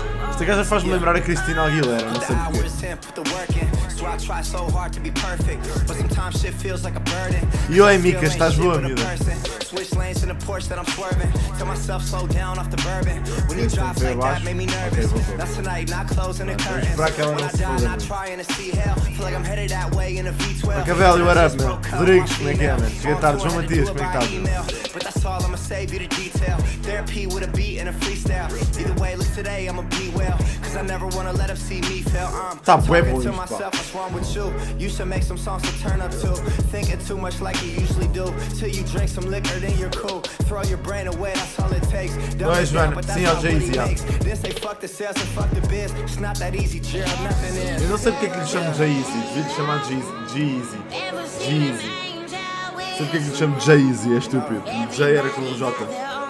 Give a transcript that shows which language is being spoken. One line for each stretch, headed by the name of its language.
Portuguese: Esta gaja faz-me lembrar a Christina Aguilera, não sei porquê.
English: I try so hard to be perfect, but sometimes shit feels like a burden. Yo, hey, Mika,
Portuguese: estás boa, amiga?
English: Switch lanes in the Porsche that I'm swerving. Tell myself slow down off the bourbon. When you drive like that, made me nervous. That's tonight, not closing the curtains. When I die, not trying to see hell. Feel like I'm headed that way in a V12. Macavelli, what up, man?
Portuguese: Rodrigues, como é que é, man? Cheguei tarde, João Matias, como é que está?
English: But that's all, I'ma save you the detail. Therapy with a beat and a freestyle. Either way, look today, I'ma be well. Cause I never wanna let them see me fail. I'm talking to myself, what's wrong with you? You should make some songs to turn up to. Thinking too much like you usually do. Till you drink some liquor, then you're cool. Throw your brain away, that's all it takes. Don't be sad, but that's not what he makes. Then say fuck the sales and fuck the biz. It's not that easy, cheer up, nothing is.
Portuguese: Eu não sei porque é que lhe chamo Jay-Z. Devia lhe chamar G-Eazy. G-Eazy. Sabe porquê que lhe chamo Jay-Z? É estúpido. Jay era com o J.